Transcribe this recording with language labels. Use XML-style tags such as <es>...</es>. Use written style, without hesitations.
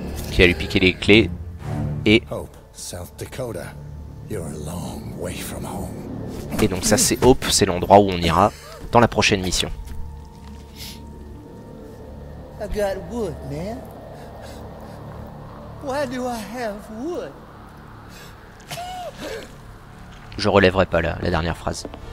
<fr>Qui a lui piqué les clés et Hope, South Dakota.</fr> <en>You're a long way from home.</en> <fr>Et donc ça c'est Hope, c'est l'endroit où on ira dans la prochaine mission.</fr> <en>I got wood, man. Why do I have wood?</en> <fr>Je relèverai pas la dernière phrase.</fr>